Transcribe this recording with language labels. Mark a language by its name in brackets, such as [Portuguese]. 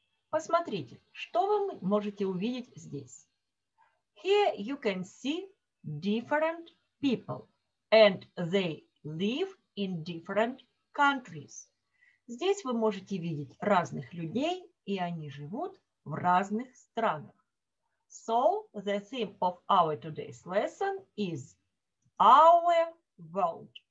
[Russian] Посмотрите, что вы можете увидеть здесь. [English] Here you can see different people, and they live in different countries. [Russian] Здесь вы можете видеть разных людей, и они живут в разных странах. [English] So, the theme of our today's lesson is our world.